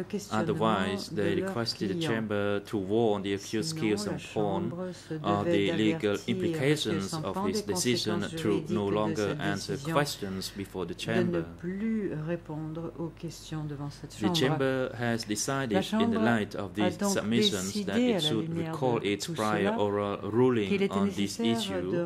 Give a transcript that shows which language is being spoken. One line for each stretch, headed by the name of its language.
English: Otherwise, they requested the chamber to warn the accused Kiel Sampon of the legal implications of his decision to no longer answer questions before the chamber.
French: De ne plus répondre aux questions devant cette chambre.
English: The chamber has decided,
French: chambre
English: in the light of these submissions, that it should recall its prior oral ruling on this issue